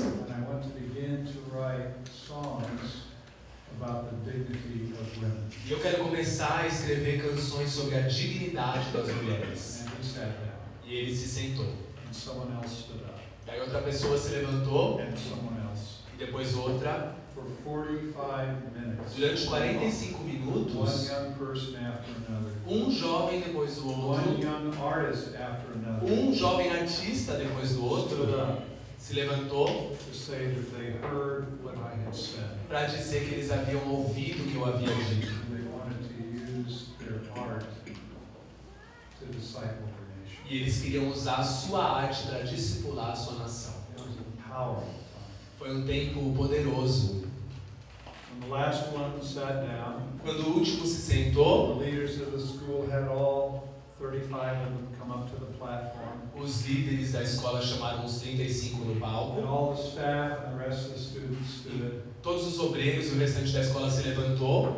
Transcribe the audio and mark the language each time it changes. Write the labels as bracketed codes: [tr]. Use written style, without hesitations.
[en] And I want to begin to write songs about the dignity of women. [pt] E eu quero começar a escrever canções sobre a dignidade das mulheres. [en] And he sat down. [pt] E ele se sentou. [en] And someone else stood up. [pt] Daí outra pessoa se levantou. [en] And someone else. [pt] E depois outra. [en] For 45 minutes. [pt] Durante 45 minutos. [en] One young person after another. [pt] Um jovem depois do outro. [en] One young artist after another. [pt] Um jovem artista depois do outro. [en] Stood up. [pt] se levantou [en] to say that they heard what I had said. [pt] Para dizer que eles haviam ouvido o que eu havia dito. [en] And they wanted to use their art to disciple their nation. [pt] E eles queriam usar a sua arte para discipular a sua nação. [en] It was a powerful time. [pt] Foi tempo poderoso. [en] When the last one sat down, [pt] quando o último se sentou, [en] the leaders of the school had all 35 of them come up to the platform. [pt] Os líderes da escola chamaram os 35 no palco. [en] And all the staff and the rest of the students stood. [pt] Todos os obreiros e o restante da escola se levantou.